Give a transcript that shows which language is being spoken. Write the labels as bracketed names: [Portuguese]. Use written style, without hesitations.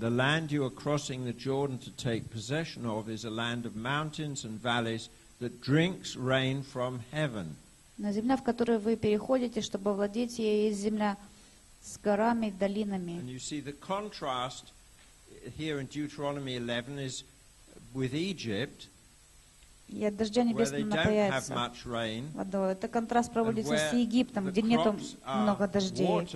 [English] The land you are crossing the Jordan to take possession of is a land of mountains and valleys that drinks rain from heaven. [Russian] На земля, в которую вы переходите, чтобы владеть ею, есть земля с горами и долинами. [English] And you see the contrast here in Deuteronomy 11 is with Egypt, where they don't have much rain. [Russian] Это контраст проводится с Египтом, где нет много дождей.